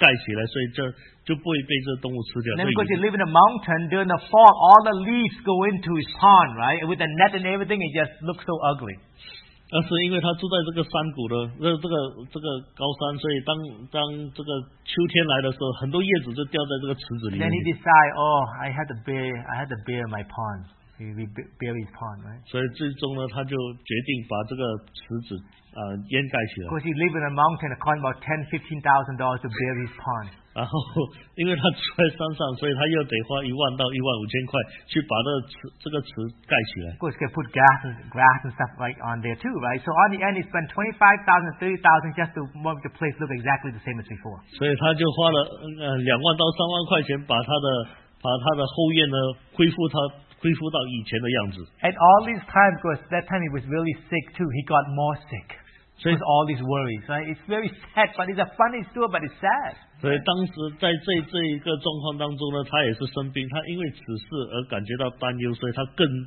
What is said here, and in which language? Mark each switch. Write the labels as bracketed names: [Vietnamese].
[Chinese] 所以因为这个动物把它鱼吃掉，所以他就买了更多的鱼，然后买了一个黑网把这个池子盖起来，所以就不会被这动物吃掉。 [English] Then because he live in a mountain, during the fall, all the leaves go into his pond, right? With the net and everything, it just looks so ugly. [Chinese] 但是因为他住在这个山谷的，这个高山，所以当这个秋天来的时候，很多叶子就掉在这个池子里面。 [English] Then he decide, I had to bury my pond. He buried his pond, right? [Chinese] 所以最终呢，他就决定把这个池子淹盖起来。 [English] Because he lived in a mountain, it cost about $10,000-$15,000 to bury his pond. [Chinese] 然后，因为他住在山上，所以他又得花15,000到15,500块去把这个池盖起来。 [English] Because he put grass and stuff like on there too, right? So on the end, he spent $25,000-$30,000 just to make the place look exactly the same as before. [Chinese] 所以他就花了两万到三万块钱把他的后院呢恢复他。恢复到以前的样子。 [English] And all these times, because that time he was really sick too, he got more sick. So it's all these worries, right? It's very sad, but it's a funny story, but it's sad. [Chinese] 所以当时在这一个状况当中呢，他也是生病，他因为此事而感觉到担忧，所以他更。